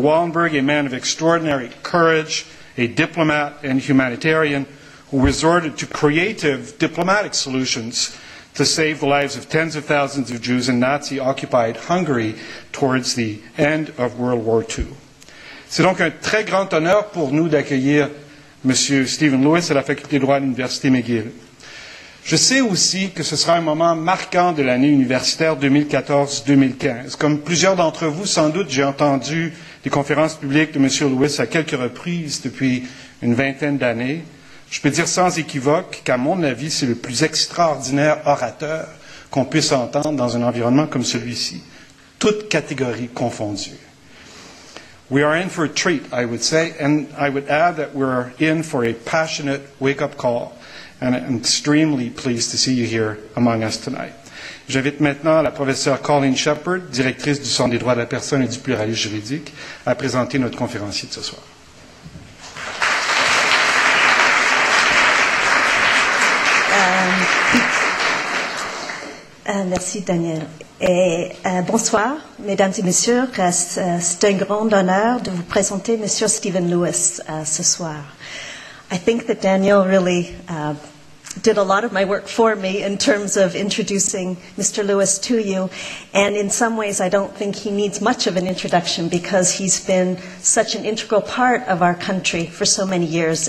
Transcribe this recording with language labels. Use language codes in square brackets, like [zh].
[en] Wallenberg, a man of extraordinary courage, a diplomat and humanitarian, who resorted to creative diplomatic solutions to save the lives of tens of thousands of Jews in Nazi-occupied Hungary towards the end of World War II. [fr] C'est donc un très grand honneur pour nous d'accueillir M. Stephen Lewis à la Faculté de droit de l'Université McGill. Je sais aussi que ce sera un moment marquant de l'année universitaire 2014-2015. Comme plusieurs d'entre vous, sans doute, j'ai entendu des conférences publiques de M. Lewis à quelques reprises depuis une vingtaine d'années. Je peux dire sans équivoque qu'à mon avis, c'est le plus extraordinaire orateur qu'on puisse entendre dans un environnement comme celui-ci, toutes catégories confondues. [en] We are in for a treat, I would say, and I would add that we're in for a passionate wake-up call, and I'm extremely pleased to see you here among us tonight. [fr] J'invite maintenant la professeure Colleen Shepherd, directrice du Centre des droits de la personne et du pluralisme juridique, à présenter notre conférencier de ce soir. Merci, Daniel. Et bonsoir, mesdames et messieurs. C'est un grand honneur de vous présenter M. Stephen Lewis ce soir. [en] I think that Daniel really did a lot of my work for me in terms of introducing Mr. Lewis to you. And in some ways, I don't think he needs much of an introduction because he's been such an integral part of our country for so many years.